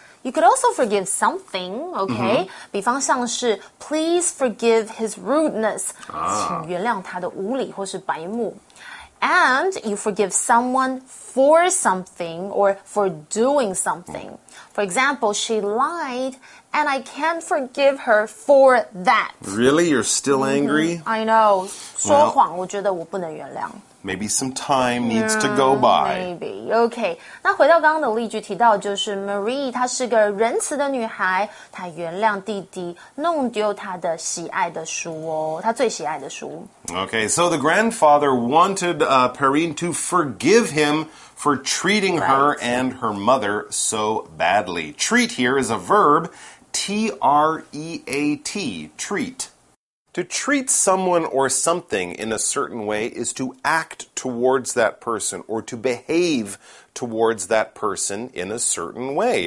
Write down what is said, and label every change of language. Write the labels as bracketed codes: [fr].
[en] You could also forgive something, okay?、Mm-hmm. [zh] 比方像是 [en] please forgive his rudeness,、 [zh] 请原谅他的无理或是白目。 [en] And you forgive someone for something or for doing something. For example, she lied and I can't forgive her for that. Really? You're still angry? I know. [zh] 说谎我觉得我不能原谅。 [en] Maybe some time needs to go by. Maybe. Okay. [zh] 那回到刚刚的例句提到就是 Marie, 她是个仁慈的女孩她原谅弟弟弄丢她的喜爱的书哦她最喜爱的书。 [en] Okay, so the grandfather wanted, Perrine to forgive him for treating her and her mother so badly. Treat here is a verb, T-R-E-A-T, treat. To treat someone or something in a certain way is to act towards that person or to behave towards that person in a certain way.